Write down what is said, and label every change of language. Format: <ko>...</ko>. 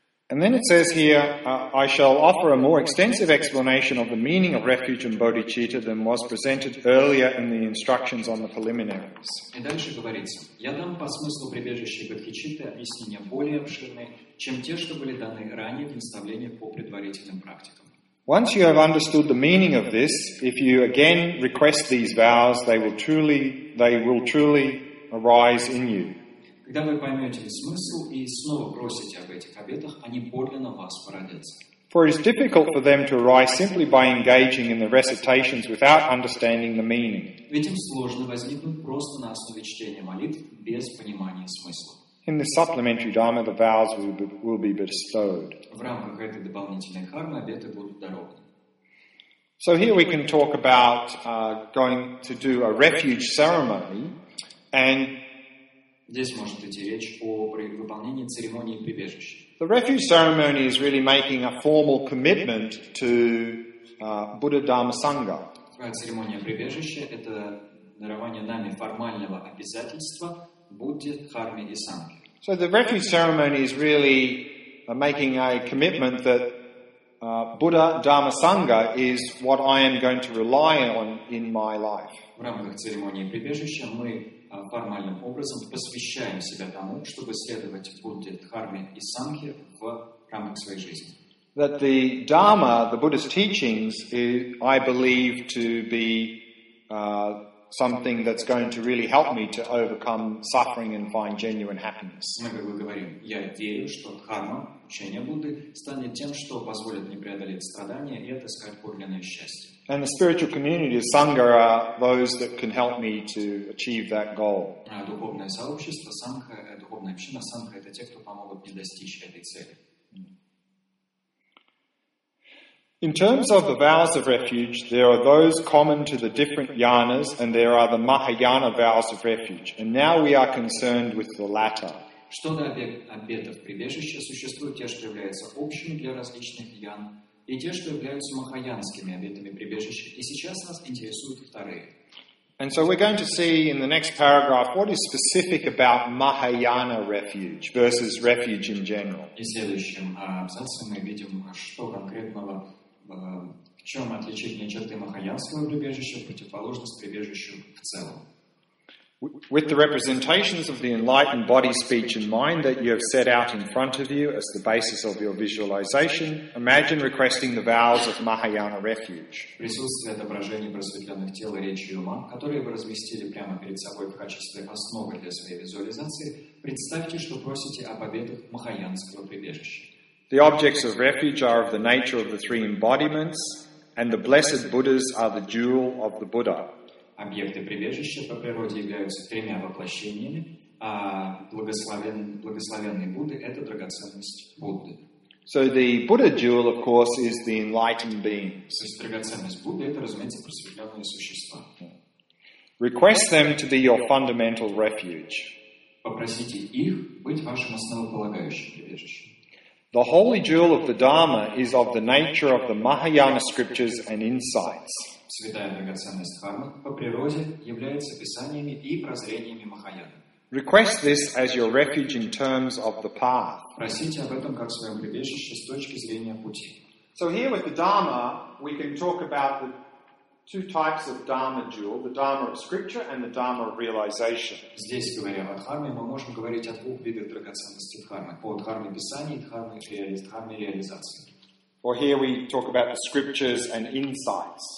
<en>And then it says here, I shall offer a more extensive explanation of the meaning of refuge and bodhicitta than was presented earlier in the instructions on the preliminaries.</en> <ru>И дальше говорится, я дам по смыслу прибежища и бодхичитты объяснения более обширные, чем те, что были даны ранее в наставлениях по предварительным практикам.</ru> <en>Once you have understood the meaning of this, if you again request these vows, they will truly arise in you.</en> <ru>Когда вы поймете смысл и снова просите об этих обетах, они подлинно вас породятся.</ru> <en>For it is difficult for them to arise simply by engaging in the recitations without understanding the meaning.</en> <ru>Ведь им сложно возникнуть просто на основе чтения молитв без понимания смысла.</ru> <en>In the supplementary dharma, the vows will be bestowed.</en> <ru>В рамках этой дополнительной кармы обеты будут дарованы.</ru> <en>So here we can talk about going to do a refuge ceremony and</en> <ru>здесь может идти речь о выполнении церемонии прибежища.</ru> <en>The refuge ceremony is really making a formal commitment to Buddha Dharma Sangha.</en> <ru>Церемония прибежища – это дарование нами формального обязательства Будде, Харме и Санге.</ru> <en>So the refuge ceremony is really making a commitment that Buddha, Dharma, Sangha is what I am going to rely on in my life.</en> <ru>В рамках церемонии прибежища мы формальным образом посвящаем себя тому, чтобы следовать Будде, Дхарме и Сангхе в рамках своей жизни.</ru> <en>That the Dharma, the Buddhist teachings, I believe to be something that's going to really help me to overcome suffering and find genuine happiness.</en> <ru>Мы как бы говорим, я верю, что Дхарма, учение Будды, станет тем, что позволит мне преодолеть страдания и отыскать подлинное счастье.</ru> <en>And the spiritual community of Sangha are those that can help me to achieve that goal.</en> <ru>Духовное сообщество, Сангха, духовная община, Сангха — это те, кто помогут мне достичь этой цели.</ru> <en>In terms of the vows of refuge, there are those common to the different yanas, and there are the Mahayana vows of refuge. And now we are concerned with the latter.</en> <ru>Что до обетов прибежища, существуют те, что являются общими для различных ян, и те, что являются махаянскими обетами прибежища. И сейчас нас интересуют вторые.</ru> <en>And so we're going to see in the next paragraph what is specific about Mahayana refuge versus refuge in general.</en> <ru>И в следующем абзаце мы видим, что конкретного в чем отличительные черты махаянского прибежища в противоположность прибежищу в целом.</ru> <en>With the representations of the enlightened body, speech, and mind that you have set out in front of you as the basis of your visualization, imagine requesting the vows of Mahayana refuge.</en> <ru>Присутствие отображений просветленных тел, речи и ума, которые вы разместили прямо перед собой в качестве основы для своей визуализации, представьте, что просите об обетах махаянского прибежища.</ru> <en>The objects of refuge are of the nature of the three embodiments, and the blessed Buddhas are the jewel of the Buddha.</en> <ru>Объекты прибежища по природе являются тремя воплощениями, а благословенный Будда — это драгоценность Будды.</ru> <en>So the Buddha jewel, of course, is the enlightened beings.</en> <ru>То есть драгоценность Будды — это, разумеется, просветленные существа.</ru> <en>Request them to be your fundamental refuge.</en> <ru>Попросите их быть вашим основополагающим прибежищем.</ru> <en>The holy jewel of the Dharma is of the nature of the Mahayana scriptures and insights.</en> <ru>Святая драгоценность Дхармы по природе является писаниями и прозрениями Махаяны.</ru> <en>Request this as your refuge in terms of the path.</en> <ru>Просите об этом как своем прибежище с точки зрения пути.</ru> <en>So here with the Dharma, we can talk about the two types of Dharma jewel, the Dharma of scripture and the Dharma of realization.</en> <ru>Здесь, говоря о Дхарме, мы можем говорить о двух видах драгоценности Дхармы. О Дхарме писаний, Дхарме реализации.</ru> <en>Or here we talk about the scriptures and insights.</en>